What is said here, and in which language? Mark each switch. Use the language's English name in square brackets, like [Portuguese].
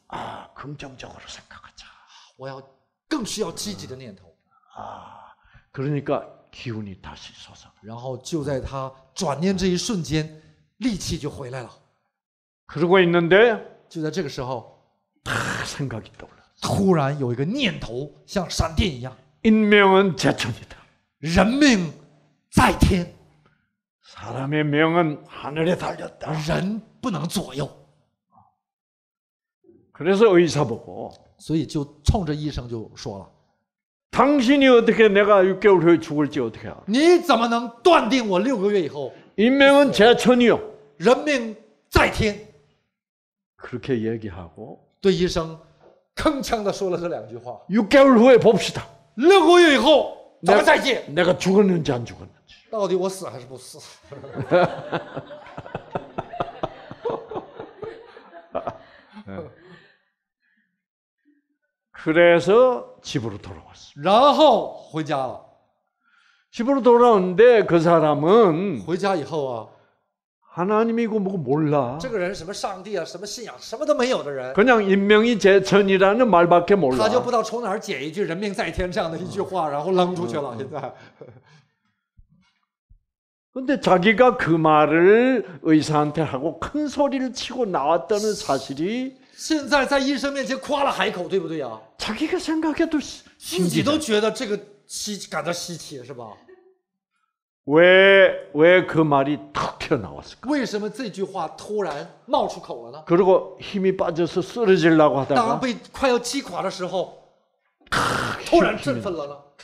[Korean] 아, 긍정적으로 생각하자. [Chinese] 我要更需要积极的念头. [Korean] 아, 그러니까 기운이 다시 솟아. [Chinese] 然后就在他 转念这一瞬间，力气就回来了。 [Korean] 그러고 있는데 [Chinese] 就在这个时候， [Korean] 생각이 떠올라. [Chinese] 突然有一个念头像闪电一样。 [Korean] 인명은 재천이다. [Chinese] 人命在天。 [Korean] 사람의 명은 하늘에 달렸다. [Chinese] 人不能左右。 [Korean] 그래서 의사 보고. [Chinese] 所以就冲着医生就说了。 [Korean] 당신이 어떻게 내가 6개월 후에 죽을지 어떻게 알아? [Chinese] 你怎么能断定我6个月以后? [Korean] 인명은 재천이요. [Chinese] 人命在天. [Korean] 그렇게 얘기하고 [Chinese] 对医生铿锵地说了这两句话. [Korean] 6개월 후에 봅시다. [Chinese] 6个月以后, 咱们再见. [Korean] 내가 죽었는지 안 죽었는지. [Chinese] 到底我死还是不死? [Korean] 그래서 집으로 돌아왔어. [Chinese] 然后回家了. [Korean] 집으로 돌아왔는데 그 사람은 [Chinese] 回家以后啊, [Korean] 하나님이고 뭐고 몰라. [Chinese] 这个人什么上帝啊什么信仰什么都没有的人. [Korean] 그냥 인명이 재천이라는 말밖에 몰라. [Chinese] 他就不知道从哪儿解一句人命在天这样的一句话，然后扔出去了. [Korean] 근데 자기가 그 말을 의사한테 하고 큰 소리를 치고 나왔다는 사실이. [Chinese] 现在在医生面前夸了海口，对不对呀？ [Korean] 자기가 생각해도 [Chinese] 自己都觉得这个稀感到稀奇，是吧？ [Korean] 왜 그 말이 탁 튀어나왔을까? [Chinese] 为什么这句话突然冒出口了呢？ [Korean] 그리고 힘이 빠져서 쓰러지려고 하다가 [Chinese] 当被快要击垮的时候，突然振奋了呢？